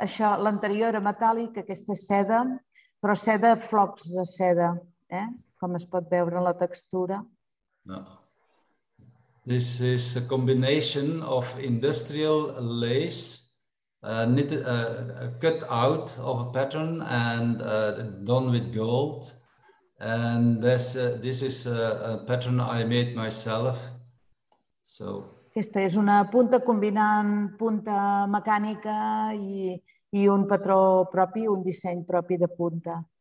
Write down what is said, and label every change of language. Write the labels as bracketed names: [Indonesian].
[Catalan] Això, l'anterior era metàl·lic, aquesta és seda, però seda, flocs de seda, eh? Com es pot veure en la textura. [English] No. This is a combination of industrial lace, knitted, cut out of a pattern and done with gold. And this is a pattern I made myself. So [Catalan] aquesta és una punta combinant punta mecànica i un patró propi, un disseny propi de punta.